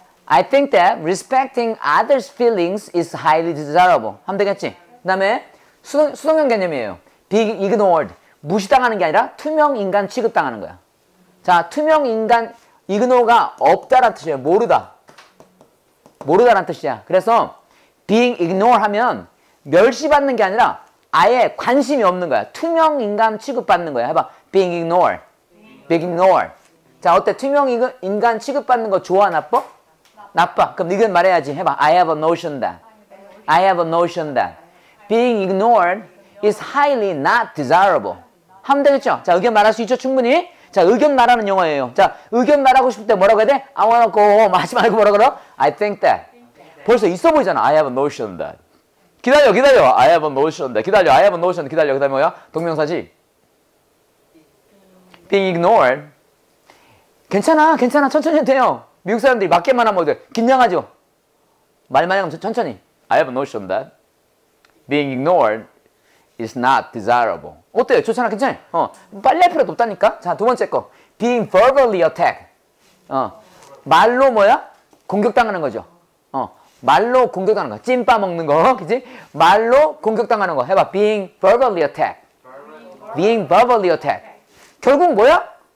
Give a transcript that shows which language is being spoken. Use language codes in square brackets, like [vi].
[en] I think that respecting others' feelings is highly desirable. [ko] 하면 되겠지? 그 다음에 수동형 개념이에요. [en] Being ignored. [ko] 무시당하는 게 아니라 투명 인간 취급당하는 거야. 자, 투명 인간 ignore가 없다라는 뜻이에요. 모르다. 모르다라는 뜻이야. 그래서 [en] being ignored [ko] 하면 멸시받는 게 아니라 아예 관심이 없는 거야. 투명 인간 취급받는 거야. [en] 해봐. Being ignored. Being ignored. [ko] 자, 어때? 투명 인간 취급받는 거 좋아, 나빠? 나빠. 그럼 이건 말해야지. 해봐. [en] I have a notion that. I have a notion that. Being ignored is highly not desirable. [ko] 하면 되겠죠? 자, 의견 말할 수 있죠? 충분히? 자, 의견 말하는 영어예요. 자, 의견 말하고 싶을 때 뭐라고 해야 돼? [en] I wanna go home. [ko] 하지 말고 뭐라고 그래? [en] I think that. [ko] 벌써 있어 보이잖아. [en] I have a notion that. [ko] 기다려, 기다려. [en] I have a notion. 기다려, I have a notion. 기다려. [ko] 그 다음에 뭐야? 동명사지. [en] Being ignored. [ko] 괜찮아, 괜찮아. 천천히 돼요. 미국 사람들이 맞게만 하면 돼. 긴장하죠. 말만 하면 천천히. [en] I have a notion that being ignored is not desirable. [ko] 어때요? 좋잖아, 괜찮아. 어, 빨리 할 필요도 없다니까. 자, 두 번째 거. [en] Being verbally attacked. [ko] 어, 말로 뭐야? 공격당하는 거죠. 어. 말로 공격당하는 거, 찐빠 먹는 거, 그지? 말로 공격당하는 거, 해봐. [en] Being verbally attacked. Being verbally attacked. [ko] 결국 뭐야?